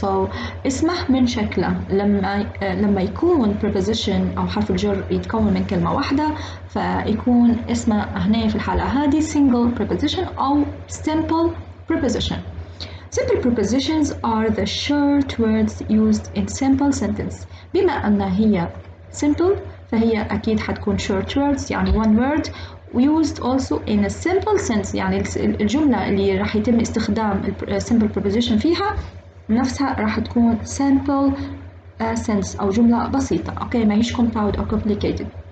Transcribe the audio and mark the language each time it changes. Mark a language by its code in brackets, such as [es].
[ar] So اسمه من شكله لما يكون preposition أو حرف الجر يتكون من كلمة واحدة فيكون اسمه هنا في الحالة هذه single preposition أو simple preposition. [en] Simple prepositions are the short words used in simple sentence. [ar] بما أن هي simple فهي أكيد حتكون [en] short words [ar] يعني [en] one word. Used also in a simple sense [ar] يعني الجملة اللي راح يتم استخدام simple preposition فيها نفسها راح تكون [en] simple sense [ar] أو جملة بسيطة okay ما هيش [en] compound or complicated.